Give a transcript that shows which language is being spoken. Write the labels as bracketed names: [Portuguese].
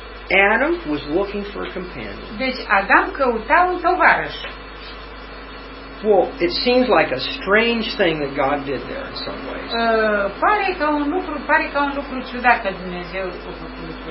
[English] Adam was looking for a companion. [Romanian] Deci Adam căuta un tovarăș. [English] Well, it seems like a strange thing that God did there in some ways. [Romanian] Pare ca un lucru ciudat că Dumnezeu a făcut.